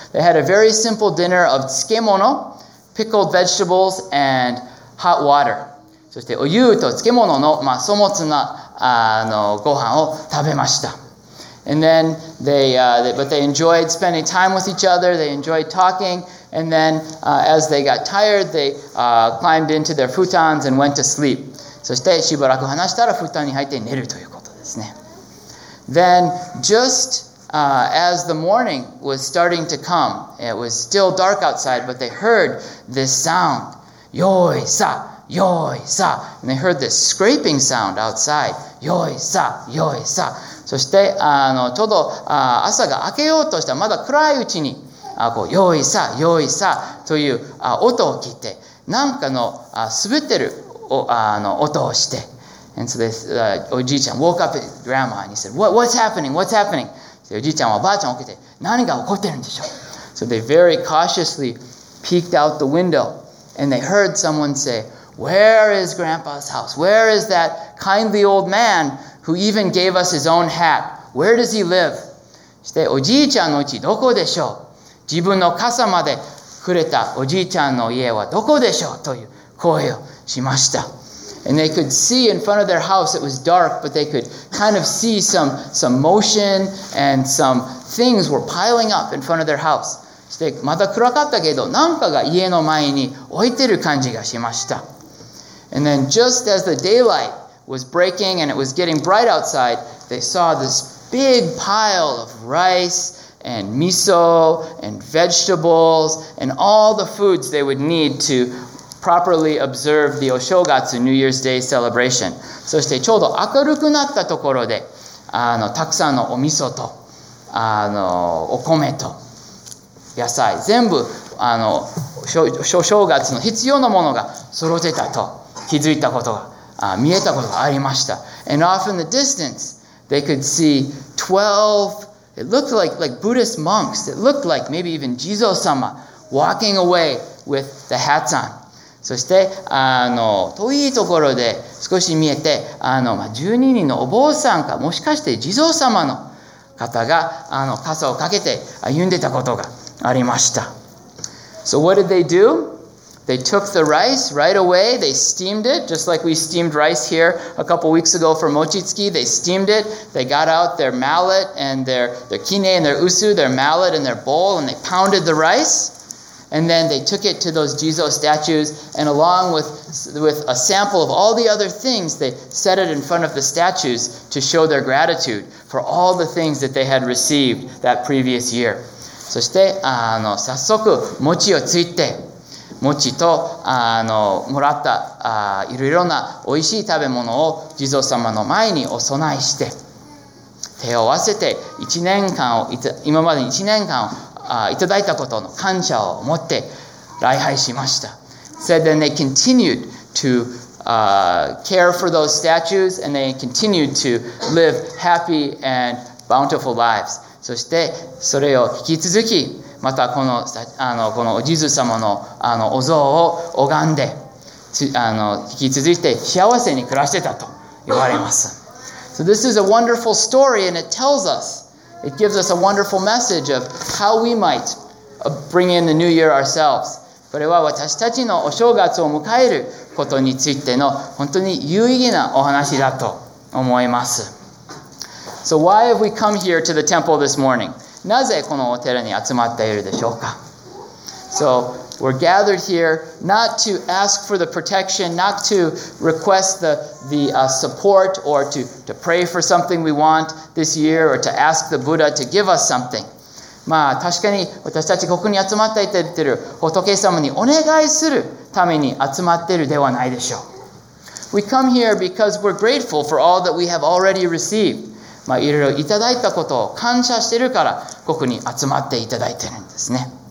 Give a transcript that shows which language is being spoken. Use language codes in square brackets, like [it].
[en] They had a very simple dinner of tsukemono, pickled vegetables, and hot water. [ja] そして、お湯と tsukemono の、まあ、素物な、ご飯を食べました。 [en] And then they enjoyed spending time with each other. They enjoyed talking. And then, as they got tired, they, climbed into their futons and went to sleep. [ja] そしてしばらく話したら、futonに入って寝るということですね。 [en] Then, just, As the morning was starting to come, it was still dark outside, but they heard this sound, yoi sa, yoi sa, and they heard this scraping sound outside, yoi sa, yoi sa. [ja] そしてあのちょうど朝が明けようとしたまだ暗いうちに、こうよいさよいさという音を聞いて、なんかの滑ってる音をして、 [en] and so this, おじいちゃん woke up his grandma and he said, What's happening? [ja] おじいちゃんはばあちゃんを起きて、何が起こってるんでしょう。 [en] So they very cautiously peeked out the window and they heard someone say, Where is grandpa's house? Where is that kindly old man who even gave us his own hat? Where does he live? [ja] そして、おじいちゃんの家どこでしょう？自分の傘までくれたおじいちゃんの家はどこでしょう？という声をしました。 [en] And they could see in front of their house, it was dark, but they could kind of see some motion and some things were piling up in front of their house. [ja] そして、まだ暗かったけど、なんかが家の前に置いてる感じがしました。 [en] And then just as the daylightwas breaking and it was getting bright outside, they saw this big pile of rice and miso and vegetables and all the foods they would need to properly observe the Oshogatsu New Year's Day celebration. [ja] そしてちょうど明るくなったところで、たくさんのお味噌と、お米と野菜、全部、正月の必要なものが揃ってたと気づいたことが、見えたことがありました。 [en] And off in the distance, they could see 12, it looked like Buddhist monks, it looked like maybe even Jizo-sama, walking away with the hats on. [ja] そして、遠いところで少し見えて、12人のお坊さんか、もしかして Jizo-sama の方が、傘をかけて歩んでたことがありました。 [en] So what did they do? They took the rice right away. They steamed it, just like we steamed rice here a couple weeks ago for mochitsuki. They steamed it. They got out their mallet and their kine and their usu, their mallet and their bowl, and they pounded the rice. And then they took it to those Jizo statues, and along with a sample of all the other things, they set it in front of the statues to show their gratitude for all the things that they had received that previous year. [ja] そして、早速、餅をついて、餅と、もらった、いろいろなおいしい食べ物を地蔵様の前にお供えして、手を合わせて1年間を今まで1年間をいただいたことの感謝を持って礼拝しました。 [en] Said then they continued to care for those statues and they continued to live happy and bountiful lives. [ja] そしてそれを引き続き、またこのおじず様 のお像を拝んで、引き続いて幸せに暮らしてたと言われます。 [en] So this is a wonderful story and it tells us, it gives us a wonderful message of how we might bring in the new year ourselves. [ja] これは私たちのお正月を迎えることについての本当に有意義なお話だと思います。 [en] So why have we come here to the temple this morning? [ja] なぜこのお寺に集まっているでしょうか。 [en] So we're gathered here not to ask for the protection, not to request the support or to pray for something we want this year or to ask the Buddha to give us something. [ja] まあ確かに私たちここに集まっていている仏様にお願いするために集まっているではないでしょう。 [en] We come here because we're grateful for all that we have already received. [ja] まあ、いろいろいただいたことを感謝しているから、ここに集まっていただいているんですね。